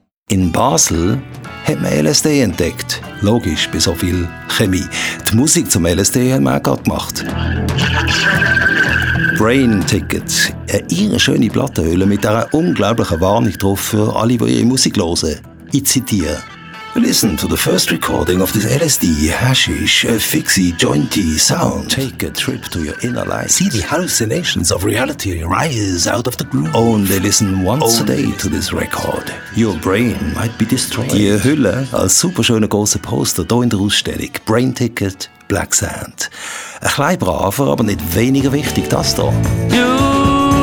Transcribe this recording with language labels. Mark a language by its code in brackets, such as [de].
[de] In Basel hat man LSD entdeckt. Logisch, bei so viel Chemie. Die Musik zum LSD haben wir auch gerade gemacht. Brain Ticket. Eine irre schöne Plattenhülle mit einer unglaublichen Warnung drauf für alle, die ihre Musik hören. Ich zitiere. [en] Listen to the first recording of this LSD, hashish, fixie, jointy sound. Take a trip to your inner life. See the hallucinations of reality rise out of the groove. Only listen once a day to this record. Your brain might be destroyed. [de] Die Hülle als super schöner großer Poster hier in der Ausstellung. Brain Ticket, Black Sand. Ein klein braver, aber nicht weniger wichtig, das hier.